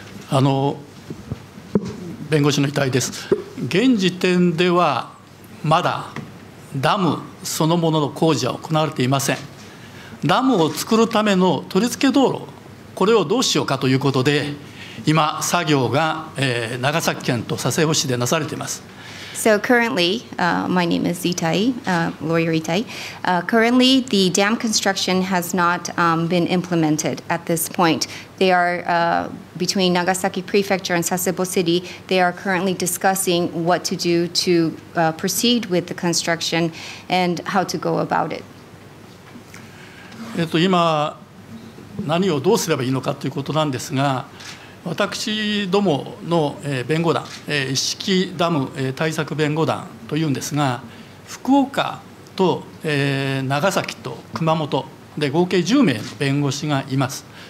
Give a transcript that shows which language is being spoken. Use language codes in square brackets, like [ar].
[ja] あの、弁護士の遺体です。現時点ではまだダムそのものの工事は行われていません。ダムを作るための取り付け道路、これをどうしようかということで、今、作業が、長崎県と佐世保市でなされています。 [en] So currently, my name is Itai, lawyer Itai. Currently, the dam construction has not been implemented at this point. They are between Nagasaki Prefecture and Sasebo City. They are currently discussing what to do to proceed with the construction and how to go about it. [ja] 今何をどうすればいいのかということなんですが、私どもの弁護団、石木ダム対策弁護団というんですが、福岡と長崎と熊本で合計10名の弁護士がいます。